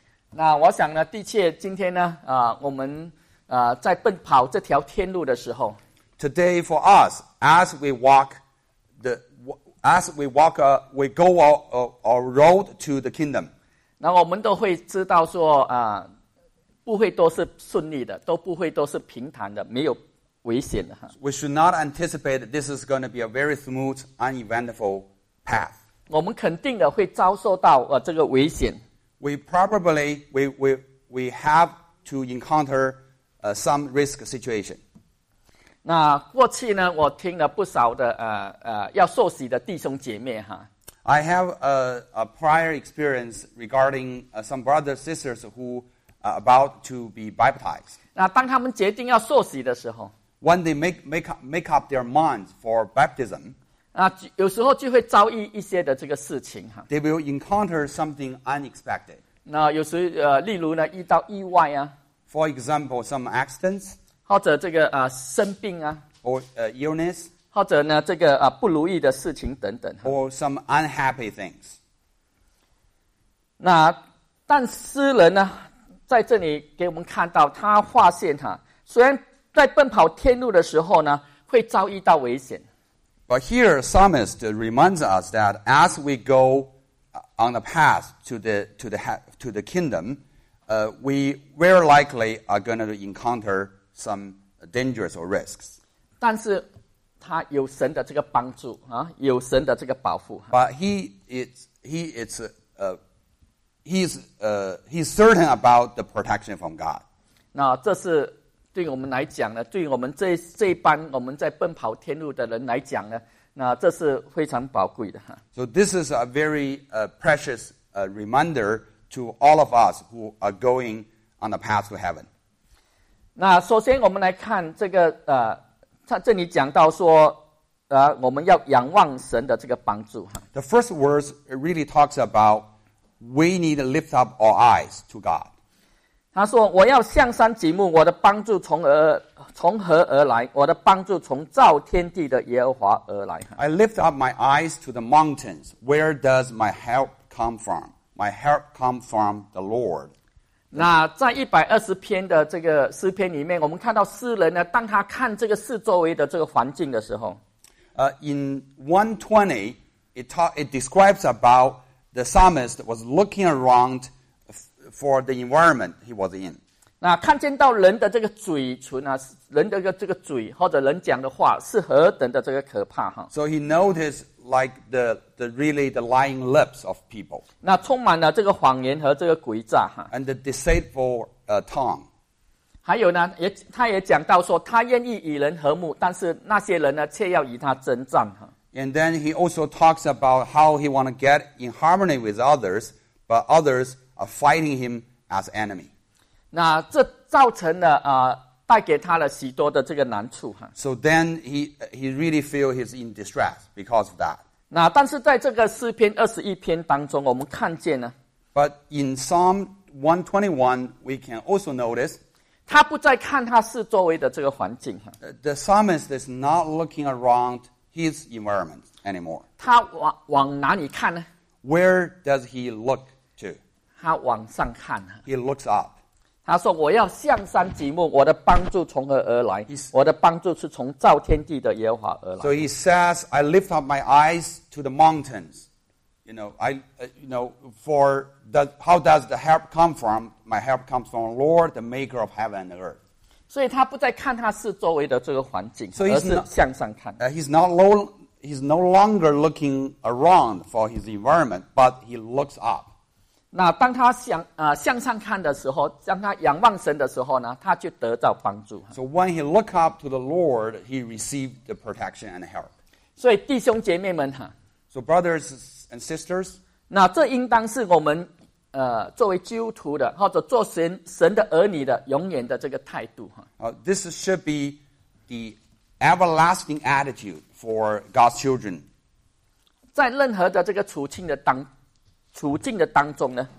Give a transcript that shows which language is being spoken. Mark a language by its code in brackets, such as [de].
[zh] 那我想呢，的确，今天呢，我们。在奔跑这条天路的时候 [en] ，Today for us, as we go our road to the kingdom, [zh] 那我们都会知道说不会都是顺利的，都不会都是平坦的，没有危险的哈。 [en] We should not anticipate that this is going to be a very smooth, uneventful path. [zh] 我们肯定的会遭受到这个危险。 [en] We probably have to encounter. Some risk situation. [zh] 那过去呢，我听了不少的要受洗的弟兄姐妹哈。 [en] I have a prior experience regarding some brothers sisters who are about to be baptized. [zh] 那当他们决定要受洗的时候 [en] ，when they make up their minds for baptism, [zh] 那有时候就会遭遇一些的这个事情哈。 [en] They will encounter something unexpected. [zh] 那有时例如呢，遇到意外啊。 [en] For example, some accidents, [zh] 或者这个生病啊 [en] ，or illness, [zh] 或者呢这个不如意的事情等等 [en] ，or some unhappy things. [zh] 那但诗人呢，在这里给我们看到，他发现哈，虽然在奔跑天路的时候呢，会遭遇到危险。 [en] But here, psalmist reminds us that as we go on the path to the kingdom. We very likely are going to encounter some dangers or risks. [zh] 但是他有神的这个帮助啊，有神的这个保护。 [en] But he's certain about the protection from God. [zh] 那这是对我们来讲呢，对我们这一班我们在奔跑天路的人来讲呢，那这是非常宝贵的。 [en] So this is a very precious reminder. To all of us who are going on the path to heaven. [zh] 那首先我们来看这个他这里讲到说我们要仰望神的这个帮助。 [en] The first verse really talks about we need to lift up our eyes to God. [zh] 他说我要向山举目，我的帮助从何而来？我的帮助从造天地的耶和华而来。 [en] I lift up my eyes to the mountains. Where does my help come from? My help comes from the Lord. [zh] 那在一百二十篇的这个诗篇里面，我们看到诗人呢，当他看这个四周围的这个环境的时候， [en] In 120, it describes about the psalmist was looking around for the environment he was in. [zh] 那看见到人的这个嘴唇啊，人的这个嘴或者人讲的话是何等的这个可怕哈。 [en] So he noticed. Like the lying lips of people. [zh] 那充满了这个谎言和这个诡诈哈。 [en] And the deceitful tongue. [zh] 还有呢，他也讲到说，他愿意与人和睦，但是那些人呢，却要与他征战哈。 [en] And then he also talks about how he want to get in harmony with others, but others are fighting him as enemy. [zh] 那这造成了带给他了许多的这个难处哈。 [en] So then he really feel he's in distress because of that. [zh] 那但是在这个诗篇二十一篇当中，我们看见呢。 [en] But in Psalm 121, we can also notice [zh] 他不再看他四周围的这个环境哈。 [en] The psalmist is not looking around his environment anymore. [zh] 他往哪里看呢 [en] ？Where does he look to? [zh] 他往上看。 [en] He looks up. [zh] 他说我要向山举目，我的帮助从何而来？我的帮助是从造天地的耶和华而来。 [en] So he says, I lift up my eyes to the mountains. You know, for how does the help come from? My help comes from the Lord, the maker of heaven and earth. [zh] 所以他不再看他四周围的这个环境，而是向上看。 [en] He's no longer looking around for his environment, but he looks up. [zh] 那当他向上看的时候，当他仰望神的时候呢，他就得到帮助。 [en] So when he look up to the Lord, he received the protection and help. [zh] 所以弟兄姐妹们哈 [en] ，So brothers and sisters, [zh] 那这应当是我们。作为基督徒的或者做神的儿女的永远的这个态度。 [en] This should be the everlasting attitude for God's children. [zh] 在任何的这个处境的当中呢